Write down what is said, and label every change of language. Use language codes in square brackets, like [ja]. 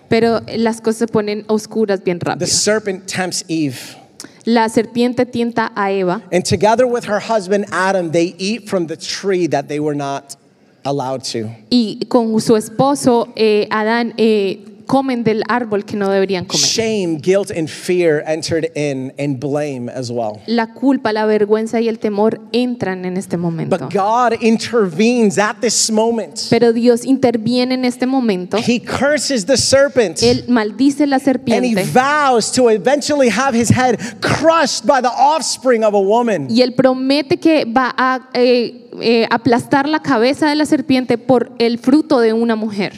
[es] Pero las cosas se ponen oscuras bien rápido. [en] The serpent tempts Eve. [es] La serpiente tienta a Eva. [en] And together with her husband Adam, they eat from the tree that they were not allowed to. [es] Y con su esposo Adán comen del árbol que no deberían comer. [en] Shame, guilt, and fear entered in, and blame as well. [es] La culpa, la vergüenza y el temor entran en este momento. [en] But God intervenes at this moment. [es] Pero Dios interviene en este momento. [en] He curses the serpent. [es] Él maldice la serpiente. [en] And he vows to eventually have his head crushed by the offspring of a woman. [es] Y él promete que va a aplastar la cabeza de la serpiente por el fruto de una mujer.